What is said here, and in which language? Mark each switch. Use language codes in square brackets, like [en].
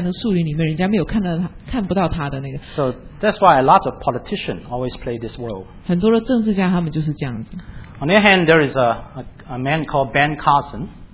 [zh] 就是军人他们会穿着好像树叶的,在那树林里面,人家没有看到他,看不到他的那个。 [en] So, that's why a lot of politicians always play this role. [zh] 很多的政治家他们就是这样子。 [en] On the other hand, there is a man called Ben Carson.